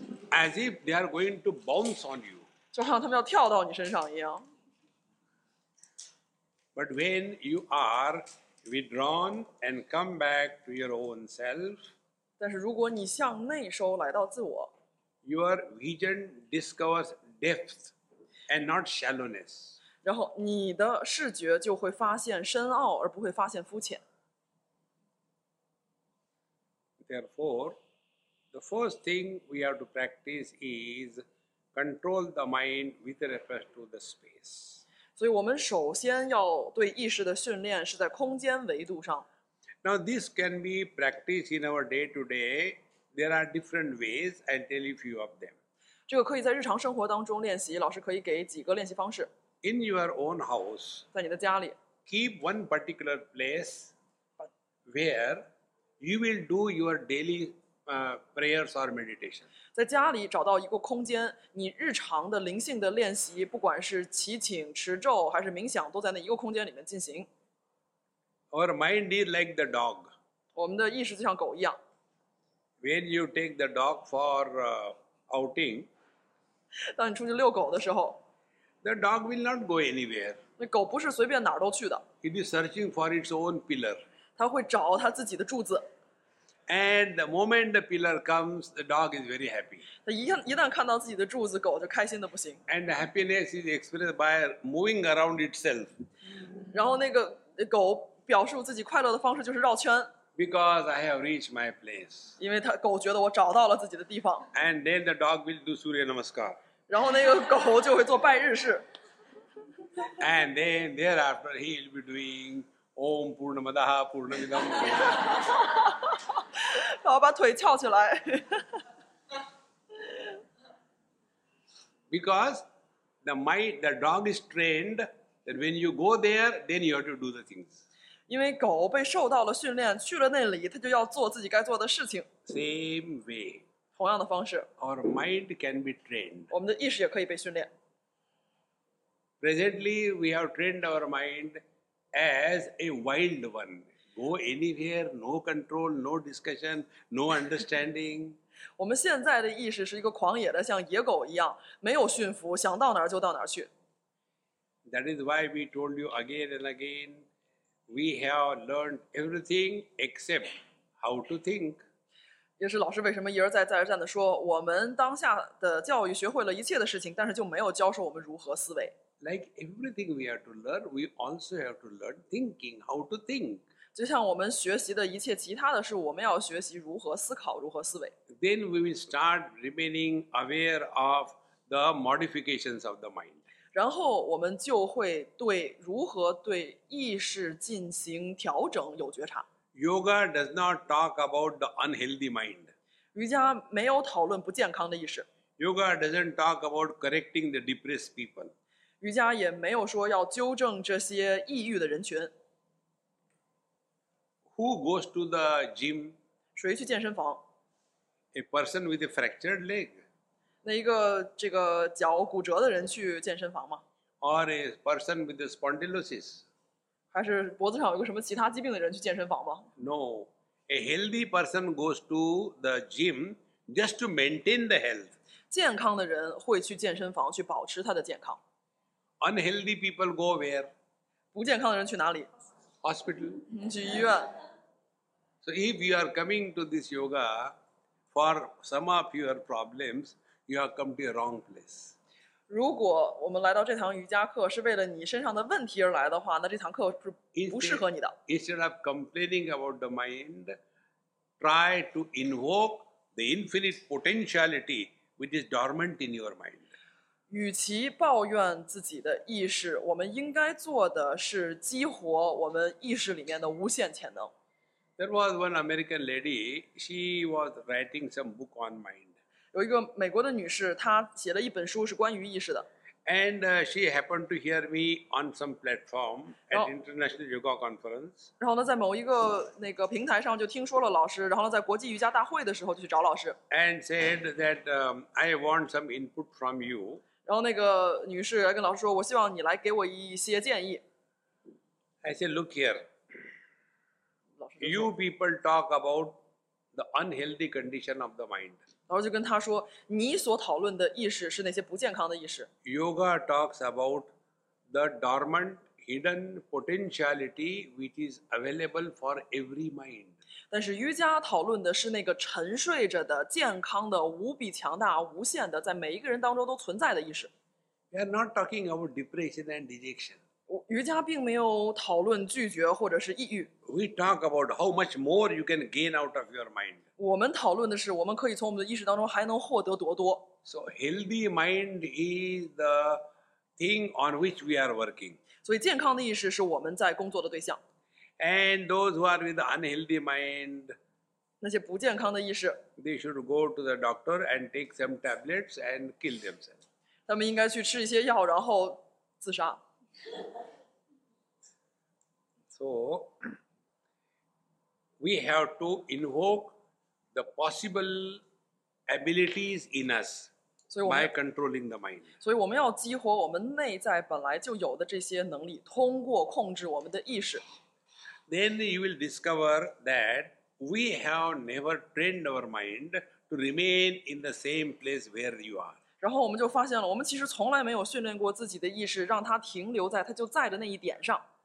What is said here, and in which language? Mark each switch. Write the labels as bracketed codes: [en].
[en] As if they are going to bounce on you. [zh] 就像他们要跳到你身上一样。 [en] But when you are withdrawn and come back to your own self, [zh] 但是如果你向内收，来到自我， [en] your vision discovers depth and not shallowness. [zh] 然后你的视觉就会发现深奥，而不会发现肤浅。 [en] Therefore, the first thing we have to practice is control the mind with reference to the space. [zh] 所以我们首先要对意识的训练是在空间维度上。 [en] Now, this can be practiced in our day-to-day. There are different ways. I'll tell you a few of them. [zh] 这个可以在日常生活当中练习，老师可以给几个练习方式。 [en] In your own house, [zh] 在你的家里， [en] keep one particular place where... You will do your daily prayers or meditation. [zh] 在家里找到一个空间，你日常的灵性的练习，不管是祈请、持咒还是冥想，都在那一个空间里面进行。 [en] Our mind is like the dog. [zh] 我们的意识就像狗一样。 [en] When you take the dog for outing, [zh] 当你出去遛狗的时候， [en] the dog will not go anywhere. [zh] 那狗不是随便哪儿都去的。 [en] It is searching for its own pillar. [zh] 他会找他自己的柱子。 [en] And the moment the pillar comes, the dog is very happy. [zh] 一旦看到自己的柱子，狗就开心的不行。 [en] And the happiness is expressed by moving around itself. [zh] 然后那个狗表示自己快乐的方式就是绕圈。 [en] Because I have reached my place. [zh] 因为它狗觉得我找到了自己的地方。 [en] And then the dog will do Surya Namaskar. [zh] 然后那个狗就会做拜日式。 [en] And then thereafter he will be doing [sa] Om Purnamadaha Purnamidam. [zh] 然后把腿翘起来。 [en] Because the dog is trained that when you go there, then you have to do the things. [zh] 因为狗被受到了训练，去了那里，它就要做自己该做的事情。 [en] Same way. [zh] 同样的方式。 [en] Our mind can be trained. [zh] 我们的意识也可以被训练。 [en] Presently, we have trained our mind as a wild one. Go anywhere, no control, no discussion, no understanding. [zh] 我们现在的意识是一个狂野的，像野狗一样，没有驯服，想到哪儿就到哪儿去。 [en] That is why we told you again and again, we have learned everything except how to think. [zh] 也是老师为什么一而再、再而三的说，我们当下的教育学会了一切的事情，但是就没有教授我们如何思维。 [en] Like everything we have to learn, we also have to learn thinking, how to think. [zh] 就像我们学习的一切其他的事，我们要学习如何思考，如何思维。 [en] Then we will start remaining aware of the modifications of the mind. [zh] 然后我们就会对如何对意识进行调整有觉察。 [en] Yoga does not talk about the unhealthy mind. [zh] 瑜伽没有讨论不健康的意识。 [en] Yoga doesn't talk about correcting the depressed people. [zh] 瑜伽也没有说要纠正这些抑郁的人群。 [en] Who goes to the gym? [zh] 谁去健身房？ [en] A person with a fractured leg. [zh] 那一个这个脚骨折的人去健身房吗？ [en] Or a person with a spondylosis. [zh] 还是脖子上有个什么其他疾病的人去健身房吗？ [en] No. A healthy person goes to the gym just to maintain the health. [zh] 健康的人会去健身房去保持他的健康。 [en] Unhealthy people go where? [zh] 不健康的人去哪里？ [en] Hospital. [zh] 去医院。 [en] So if you are coming to this yoga for some of your problems, you have come to a wrong place. [zh] 如果我们来到这堂瑜伽课是为了你身上的问题而来的话，那这堂课是不适合你的。 [en] Instead of complaining about the mind, try to invoke the infinite potentiality which is dormant in your mind. [zh] 与其抱怨自己的意识，我们应该做的是激活我们意识里面的无限潜能。 [en] There was one American lady, she was writing some book on mind. [zh] 有一个美国的女士，她写了一本书是关于意识的。 [en] And she happened to hear me on some platform at International Yoga Conference. [zh] 然后呢，在某一个那个平台上就听说了老师，然后呢，在国际瑜伽大会的时候就去找老师。 [en] And said that I want some input from you. [zh] 然后那个女士来跟老师说：“我希望你来给我一些建议。” [en] I said, "Look here. You people talk about the unhealthy condition of the mind." [zh] 然后就跟她说：“你所讨论的意识是那些不健康的意识。” [en] Yoga talks about the dormant, hidden potentiality which is available for every mind. [zh] 但是瑜伽讨论的是那个沉睡着的、健康的、无比强大、无限的，在每一个人当中都存在的意识。 [en] We are not talking about depression and dejection. [zh] 瑜伽并没有讨论拒绝或者是抑郁。 [en] We talk about how much more you can gain out of your mind. [zh] 我们讨论的是我们可以从我们的意识当中还能获得多多。 [en] So healthy mind is the thing on which we are working. [zh] 所以健康的意识是我们在工作的对象。 [en] And those who are with the unhealthy mind, [zh] 那些不健康的意识 [en] they should go to the doctor and take some tablets and kill themselves. [zh] 他们应该去吃一些药，然后自杀。 [en] So, we have to invoke the possible abilities in us by controlling the mind. [zh] 所以我们要激活我们内在本来就有的这些能力，通过控制我们的意识。 [en] Then you will discover that we have never trained our mind to remain in the same place where you are. [zh] 然后我们就发现了，我们其实从来没有训练过自己的意识，让它停留在它就在的那一点上。